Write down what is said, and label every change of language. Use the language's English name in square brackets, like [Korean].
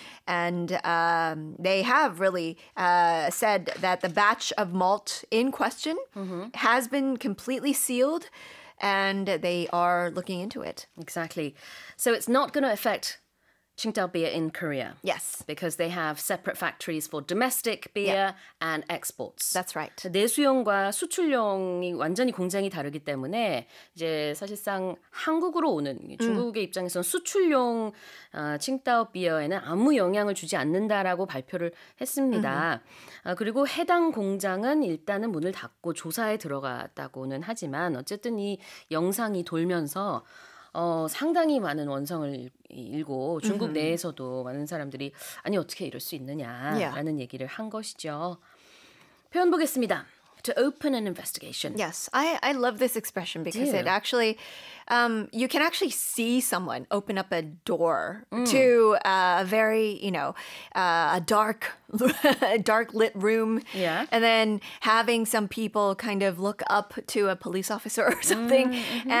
[English] And they have really said that the batch of malt in question mm-hmm. has been completely sealed and they are looking into it. Exactly. So it's not going to affect Qingdao beer in Korea. Yes. Because they have separate factories for domestic beer yeah. and exports. That's right. [Korean] 내수용과 수출용이 완전히 공장이 다르기 때문에 이제 사실상 한국으로 오는 중국의 입장에서는 수출용 칭다오 비어에는 아무 영향을 주지 않는다라고 발표를 했습니다. 그리고 해당 공장은 일단은 문을 닫고 조사에 들어갔다고는 하지만 어쨌든 이 영상이 돌면서 상당히 많은 원성을 일고 중국 mm-hmm. 내에서도 많은 사람들이 아니 어떻게 이럴 수 있느냐라는 yeah. 얘기를 한 것이죠. 표현 보겠습니다. [English] To open an investigation. Yes, I love this expression because it actually, you can actually see someone open up a door to a very, you know, a dark, dark lit room. Yeah. And then having some people kind of look up to a police officer or something mm-hmm.